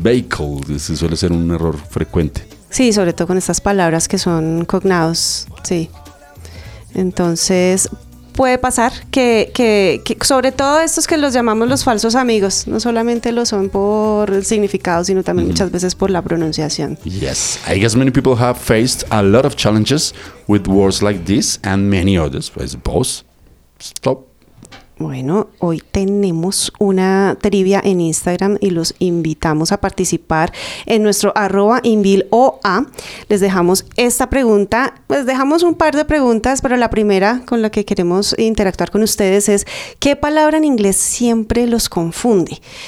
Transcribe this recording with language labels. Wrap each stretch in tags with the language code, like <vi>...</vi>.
<es>Vehicle, ese suele ser un error frecuente. Sí, sobre todo con estas palabras que son cognados, sí. Entonces... puede pasar que sobre todo estos que los llamamos los falsos amigos, no solamente lo son por el significado, sino también muchas veces por la pronunciación.</es> <en>Yes, I guess many people have faced a lot of challenges with words like this and many others, I suppose. Stop.</en> <es>Bueno, hoy tenemos una trivia en Instagram y los invitamos a participar en nuestro @invilOA. Les dejamos esta pregunta, pues dejamos un par de preguntas, pero la primera con la que queremos interactuar con ustedes es ¿qué palabra en inglés siempre los confunde?</es>